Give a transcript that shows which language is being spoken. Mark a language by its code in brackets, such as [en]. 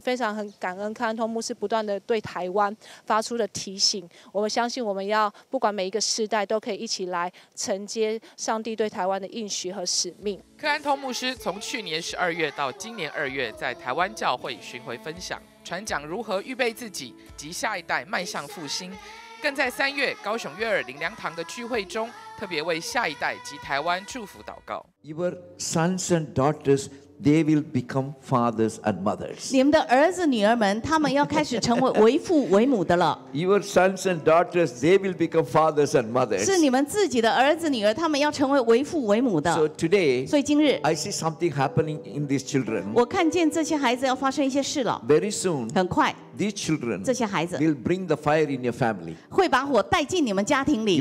[zh] 非常很感恩克安通牧师不断的对台湾发出的提醒，我们相信我们要不管每一个世代都可以一起来承接上帝对台湾的应许和使命。克安通牧师从去年12月到今年2月在台湾教会巡回分享，传讲如何预备自己及下一代迈向复兴，更在3月高雄悦耳灵粮堂的聚会中，特别为下一代及台湾祝福祷告。 [en] Your sons and daughters, they will become fathers and mothers. [zh] 你们的儿子女儿们，他们要开始成为为父为母的了。 [en] Your sons and daughters, they will become fathers and mothers. [zh] 是你们自己的儿子女儿，他们要成为为父为母的。 [en] So today, [zh] 所以今日 [en] ，I see something happening in these children. [zh] 我看见这些孩子要发生一些事了。 [en] Very soon, [zh] 很快。 [en] These children, [zh] 这些孩子 [en] will bring the fire in your family. [zh] 会把火带进你们家庭里。